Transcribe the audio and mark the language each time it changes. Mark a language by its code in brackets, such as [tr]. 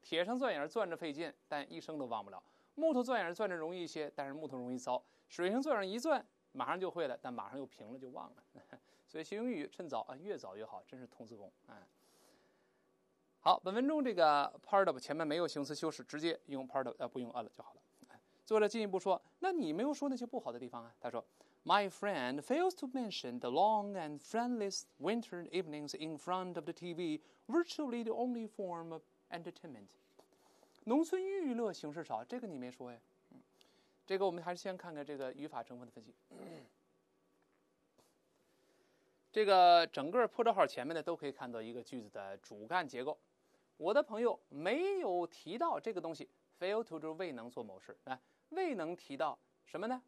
[zh] 铁上钻牙钻着费劲，但一生都忘不了；木头钻牙钻着容易一些，但是木头容易糟；水上钻牙一钻，马上就会了，但马上又平了就忘了。所以学英语趁早啊，越早越好，真是童子功啊。好，本文中这个 part of 前面没有形容词修饰，直接用 part of 不用 a 了就好了。作者进一步说，那你没有说那些不好的地方啊？他说。 [en] My friend fails to mention the long and friendless winter evenings in front of the TV, virtually the only form of entertainment. [zh] 农村娱乐形式少，这个你没说呀。这个我们还是先看看这个语法成分的分析。这个整个破折号前面的都可以看到一个句子的主干结构。我的朋友没有提到这个东西 ，fail to 就是未能做某事，未能提到。什么呢？